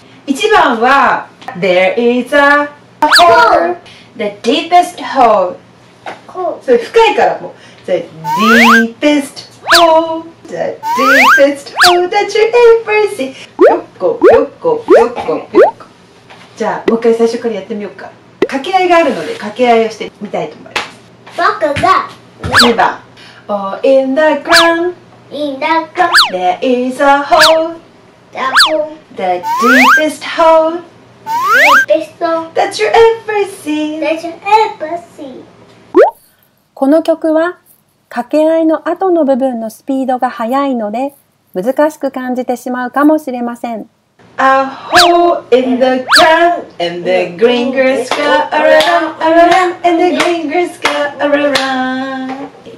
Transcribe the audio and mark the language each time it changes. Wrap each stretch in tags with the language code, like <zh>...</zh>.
<ja>1番は</ja> <en>There is a hole. The deepest hole.</en> <ja>それ深いからもう</ja> <en>The deepest hole. The deepest hole that you ever see. よっこよっこよっこよっこ。</en> <ja>じゃあもう一回最初からやってみようか。掛け合いがあるので掛け合いをしてみたいと思います。僕が 2番</ja> <en>Oh, in the ground. In the ground. There is a hole. The deepest hole, deepest hole that you ever see. That you ever see.</en> <ja>この曲は掛け合いの後の部分のスピードが速いので難しく感じてしまうかもしれません。</ja> <en>A hole in the ground and the green grass go around, around, and the green grass go around.</en>